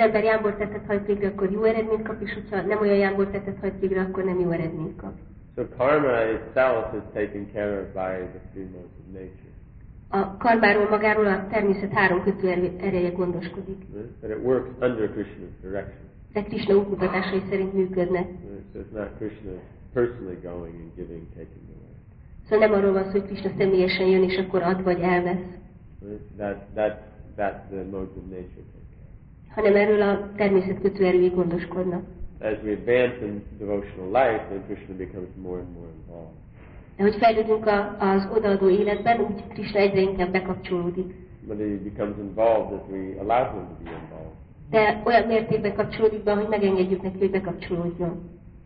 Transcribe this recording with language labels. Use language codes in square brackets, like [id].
[hu] Ha az ember jámbor tettet hajt végre, akkor jó eredményt kap, és hogyha nem olyan jámbor tettet hajt végre, akkor nem jó eredményt kap. [en] So karma itself is taken care of by the three modes of nature. [hu] A karmáról magáról a természet három kötő ereje gondoskodik. [en] But it works under Krishna's direction. [hu] De Krishna útmutatásai szerint működnek. [en] So it's not Krishna personally going and giving, taking. [hu] Szóval nem arról van szó, hogy Krisna személyesen jön, és akkor ad vagy elvesz. [en] That's the mode of nature. [hu] Hanem erről a természet kötő erői gondoskodnak. [en] As we advance in devotional life, then Krishna becomes more and more involved. [hu] De hogy fejlődünk az odaadó életben, úgy Krisna egyre inkább bekapcsolódik. [en] But he becomes involved as we allow him to be involved. [hu] De olyan mértékben kapcsolódik be, hogy megengedjük neki, hogy bekapcsolódjon.